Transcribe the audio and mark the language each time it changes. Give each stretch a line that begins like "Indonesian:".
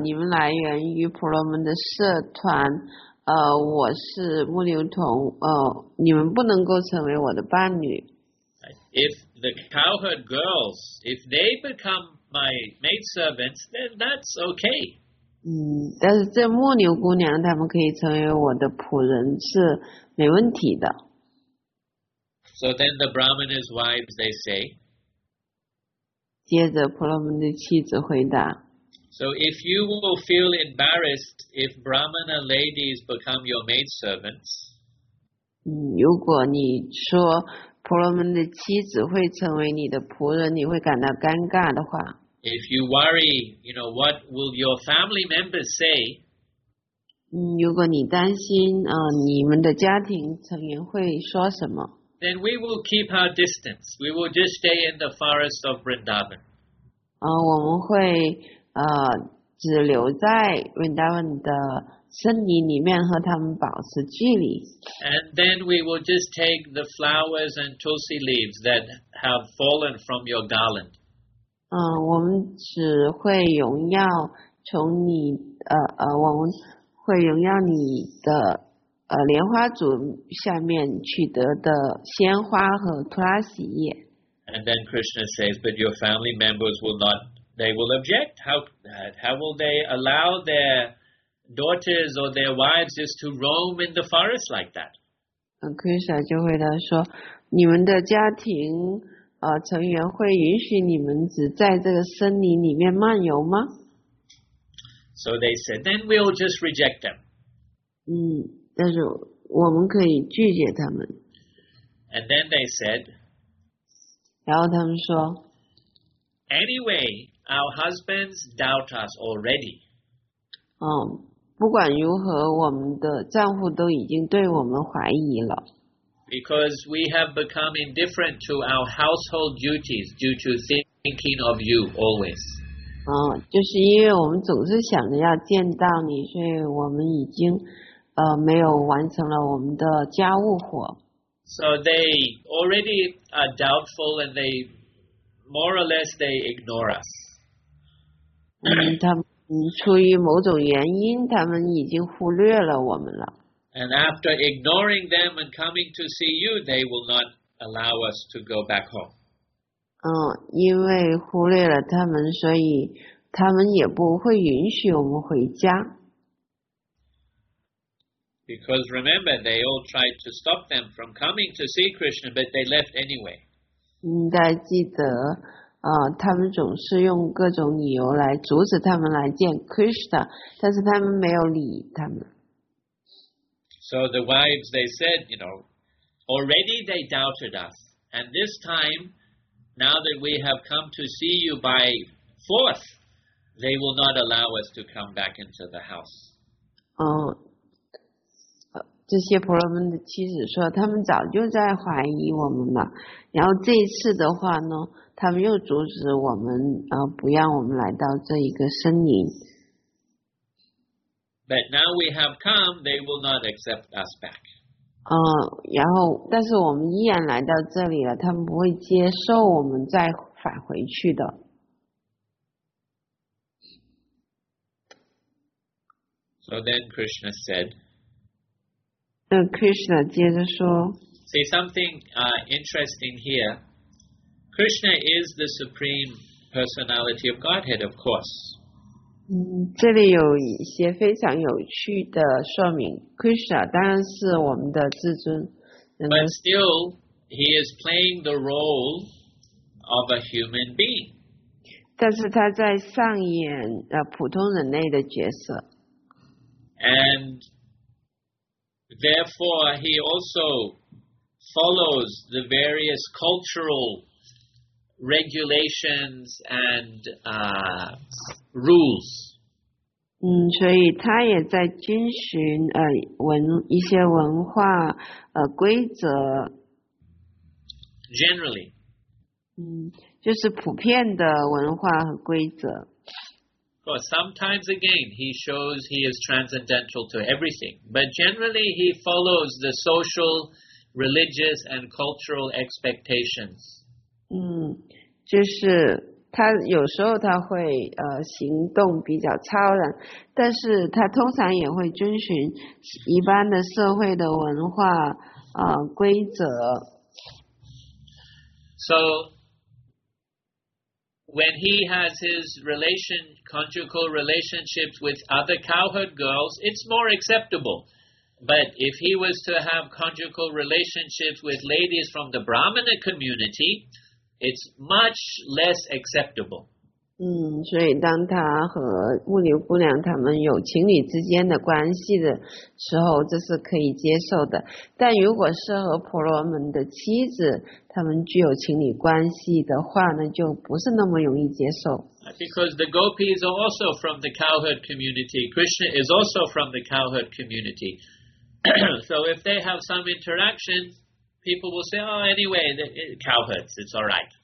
Chinese: 你们来源于婆罗门的社团，我是牧牛童，你们不能够成为我的伴侣。
English: If the cowherd girls, if they become my maidservants, then that's okay.
Chinese: 但是这牧牛姑娘她们可以成为我的仆人是没问题的。
English: So then the brahmana's wives, they say.
Chinese: 接着婆罗门的妻子回答
English: So if you will feel embarrassed if Brahmana ladies become your maidservants,
Chinese: 如果你说婆罗门的妻子会成为你的仆人你会感到尴尬的话
English: If you worry, you know, what will your family members say,
Chinese: 如果你担心你们的家庭成员会说什么
English: Then we will keep our distance. We will just stay in the forest of Vrindavan.
Chinese: 我们会只留在 Vrindavan 的森林里面和他们保持距离。
English: And then we will just take the flowers and tulsi leaves that have fallen from your garland.
Chinese: 我们只会荣耀从你我们会荣耀你的。莲花组下面取得的鲜花和图拉喜叶。
English: And then Krishna says, but your family members will not, they will object. How will they allow their daughters or their wives just to roam in the forest like that?
Chinese: Krishna 就回答说，你们的家庭成员会允许你们只在这个森林里面漫游吗？
English: So they said, then we'll just reject them.
Chinese: 但是我们可以拒绝他们。
English: And then they said,
Chinese: 然后他们说
English: Anyway, our husbands doubt us already.
Chinese: 不管如何我们的丈夫都已经对我们怀疑了。
English: Because we have become indifferent to our household duties due to thinking of you always.
Chinese: 就是因为我们总是想着要见到你所以我们已经没有完成了我们的家务活。
English: So they already are doubtful and they more or less they ignore us.
Chinese: 他们出于某种原因他们已经忽略了我们了。
English: And after ignoring them and coming to see you, they will not allow us to go back home.
Chinese: 因为忽略了他们所以他们也不会允许我们回家。
English: Because remember, they all tried to stop them from coming to see Krishna, but they left anyway.
Chinese: 应该记得，他们总是用各种理由来阻止他们来见 Krishna， 但是他们没有理他们。
English: So the wives, they said, you know, already they doubted us, and this time, now that we have come to see you by force, they will not allow us to come back into the house.
Chinese: 这些婆罗门的妻子说他们早就在怀疑我们了然后这一次的话呢他们又阻止我们不让我们来到这一个森林
English: But now we have come, they will not accept us back.
Chinese: 然后但是我们依然来到这里了他们不会接受我们再返回去的
English: So then Krishna said,
Chinese: Krishna 接着说
English: See something interesting here. Krishna is the supreme personality of Godhead, of course.
Chinese: 这里有一些非常有趣的说明 Krishna 当然是我们的至尊
English: But still, he is playing the role of a human being.
Chinese: 但是他在上演普通人类的角色
English: AndTherefore, he also follows the various cultural regulations and rules.
Chinese: 所以他也在遵循一些文化规则。
English: Generally.
Chinese: 就是普遍的文化和规则。
English: course, sometimes again, he shows he is transcendental to everything. But generally, he follows the social, religious, and cultural expectations.
Chinese: 就是他有时候他会行动比较超然，但是他通常也会遵循一般的社会的文化规则。
English: So, when he has his relation, conjugal relationships with other cowherd girls, it's more acceptable. But if he was to have conjugal relationships with ladies from the Brahmana community, it's much less acceptable.
Chinese: 所以当他和牧牛姑娘他们有情侣之间的关系的时候，这是可以接受的。但如果是和婆罗门的妻子他们具有情侣关系的话呢，就不是那么容易接受。
English: Because the gopis are also from the cowherd community. Krishna is also from the cowherd community. So if they have some interaction, people will say, oh, anyway, the cowherds, it's all right.